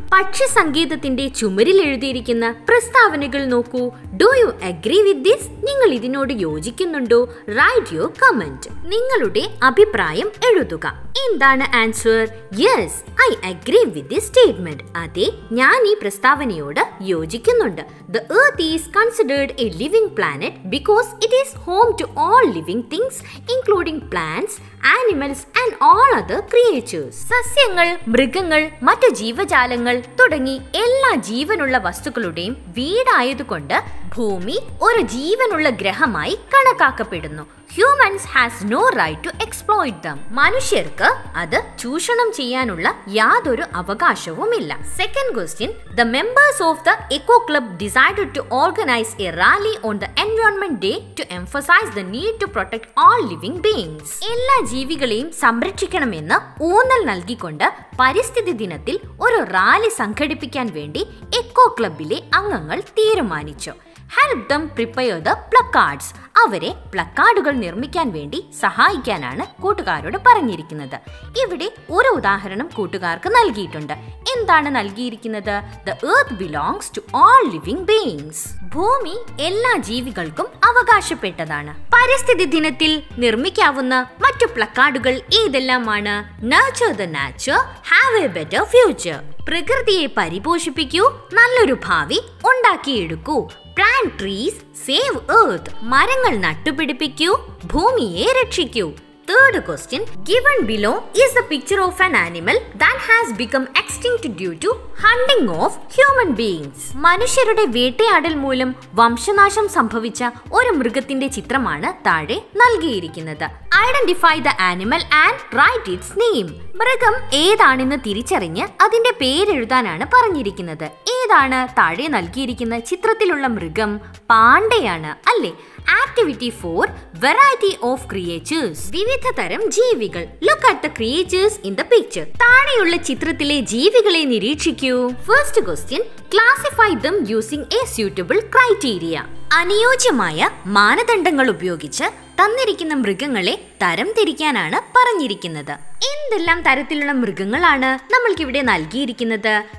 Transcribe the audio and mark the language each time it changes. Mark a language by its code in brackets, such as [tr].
[ml] പക്ഷി സംഗീതത്തിന്റെ ചുമരിൽ എഴുതിയിരിക്കുന്ന പ്രസ്താവനകൾ നോക്കൂ. [en] Do you agree with this? [ml] നിങ്ങൾ ഇതിനോട് യോജിക്കുന്നുണ്ടോ? [en] write your comment, [ml] നിങ്ങളുടെ അഭിപ്രായം എഴുതുക. [en] എന്താണ് answer? Yes I agree with this statement. [ml] അതെ, ഞാൻ ഈ പ്രസ്താവനയോട് യോജിക്കുന്നുണ്ട്. [en] The earth is considered a living planet because it is home to all living things including plants, animals and all other creatures. [ml] സസ്യങ്ങൾ, മൃഗങ്ങൾ, മറ്റു ജീവജാലങ്ങൾ തുടങ്ങി എല്ലാ ജീവനുള്ള വസ്തുക്കളുടെയും വീടായതുകൊണ്ട് ഭൂമി ഒരു ജീവനുള്ള ഗ്രഹമായി കണക്കാക്കപ്പെടുന്നു. [en] Humans has no right to exploit them. [ml] മനുഷ്യർക്ക് അത് ചൂഷണം ചെയ്യാനുള്ള യാതൊരു അവകാശവുമില്ല. [en] Second question, the members of the eco club decided to organize a rally on the environment day to emphasize the need to protect all living beings. [ml] എല്ലാ ജീവികളെയും സംരക്ഷിക്കണമെന്ന് ഊന്നൽ നൽകിക്കൊണ്ട് പരിസ്ഥിതി ദിനത്തിൽ ഒരു റാലി സംഘടിപ്പിക്കാൻ വേണ്ടി എക്കോ ക്ലബിലെ അംഗങ്ങൾ തീരുമാനിച്ചു. [en] Help them prepare the placards. [ml] അവരെ പ്ലക്കാർഡുകൾ നിർമ്മിക്കാൻ വേണ്ടി സഹായിക്കാനാണ് കൂട്ടുകാരോട് പറഞ്ഞിരിക്കുന്നത്. ഇവിടെ ഒരു ഉദാഹരണം കൂട്ടുകാർക്ക് നൽകിയിട്ടുണ്ട്. എന്താണ് നൽകിയിരിക്കുന്നത്? [en] The earth belongs to all living beings. [ml] ഭൂമി എല്ലാ ജീവികൾക്കും അവകാശപ്പെട്ടതാണ്. പരിസ്ഥിതി ദിനത്തിൽ നിർമ്മിക്കാവുന്ന മറ്റു പ്ലക്കാർഡുകൾ ഏതെല്ലാമാണ്? [en] Nurture the nature, have a better future. [ml] പ്രകൃതിയെ പരിപോഷിപ്പിക്കൂ, നല്ലൊരു ഭാവി ഉണ്ടാക്കിയെടുക്കൂ. [en] Plant trees, save earth. [ml] മരങ്ങൾ നട്ടുപിടിപ്പിക്കൂ, ഭൂമിയെ രക്ഷിക്കൂ. [en] Third question, given below is a picture of an animal that has become extinct due to hunting of human beings. [ml] മനുഷ്യരുടെ വേട്ടയാടൽ മൂലം വംശനാശം സംഭവിച്ച ഒരു മൃഗത്തിന്റെ ചിത്രമാണ് താഴെ നൽകിയിരിക്കുന്നത്. [en] Identify the animal and write its name. [ml] മൃഗം ഏതാണെന്ന് തിരിച്ചറിഞ്ഞ് അതിന്റെ പേരെഴുതാനാണ് പറഞ്ഞിരിക്കുന്നത്. ഏതാണ് താഴെ നൽകിയിരിക്കുന്ന ചിത്രത്തിലുള്ള മൃഗം? പാണ്ടയാണ് അല്ലേ? [en] Activity 4, variety of creatures. [ml] വിവിധ തരം ജീവികൾ. [en] Look at the creatures in the picture. [ml] താഴെയുള്ള ചിത്രത്തിലെ ജീവികളെ നിരീക്ഷിക്കൂ. [en] First question, classify them using a suitable criteria. [ml] അനുയോജ്യമായ മാനദണ്ഡങ്ങൾ ഉപയോഗിച്ച് തന്നിരിക്കുന്ന മൃഗങ്ങളെ തരം തിരിക്കാനാണ് പറഞ്ഞിരിക്കുന്നത്. എന്തെല്ലാം തരത്തിലുള്ള മൃഗങ്ങളാണ് നമ്മൾക്കിവിടെ നൽകിയിരിക്കുന്നത്?